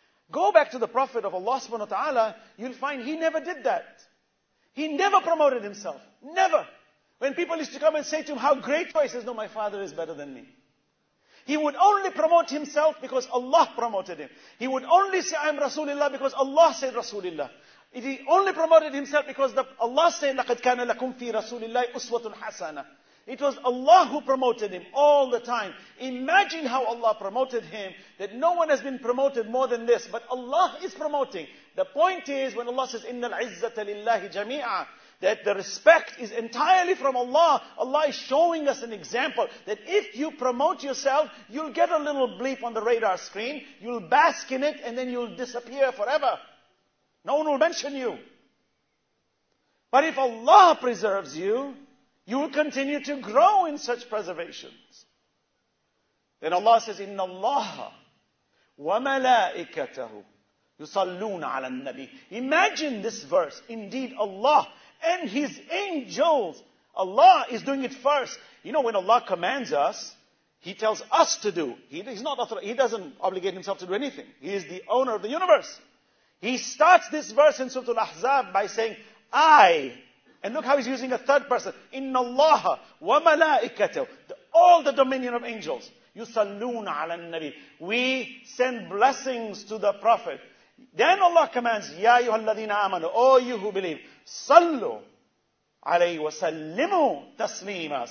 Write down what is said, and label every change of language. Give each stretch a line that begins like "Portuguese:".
English: Go back to the Prophet of Allah subhanahu wa ta'ala, you'll find he never did that. He never promoted himself. Never. When people used to come and say to him, how great are you? He says, no, my father is better than me. He would only promote himself because Allah promoted him. He would only say, I'm Rasulullah because Allah said Rasulullah. He only promoted himself because Allah said,
Arabic: لَقَدْ كَانَ لَكُمْ فِي رَسُولِ اللَّهِ أُسْوَةٌ حَسَنَةٌ.
English: It was Allah who promoted him all the time. Imagine how Allah promoted him, that no one has been promoted more than this, but Allah is promoting. The point is, when Allah says,
Arabic: إِنَّ الْعِزَّةَ لِلَّهِ جَمِيعًا,
English: that the respect is entirely from Allah. Allah is showing us an example that if you promote yourself, you'll get a little bleep on the radar screen, you'll bask in it, and then you'll disappear forever. No one will mention you. But if Allah preserves you, you will continue to grow in such preservations. Then Allah says,
Arabic: إِنَّ اللَّهَ وَمَلَائِكَتَهُ يُصَلُّونَ عَلَى النَّبِيِّ.
English: Imagine this verse. Indeed, Allah and His angels, Allah is doing it first. You know, when Allah commands us, He tells us to do. He doesn't obligate Himself to do anything. He is the owner of the universe. He starts this verse in Surah Al-Ahzab by saying, I, and look how he's using a third person,
Arabic: إِنَّ اللَّهَ وَمَلَائِكَتَهُ,
English: all the dominion of angels,
Arabic: يُسَلُّونَ عَلَى النَّبِيِّ,
English: we send blessings to the Prophet. Then Allah commands,
Arabic: يَا أَيُّهَا الَّذِينَ آمَنُوا,
English: O you who believe,
Arabic: صَلُّوا عَلَيْهِ وَسَلِّمُوا تَسْلِيمًا.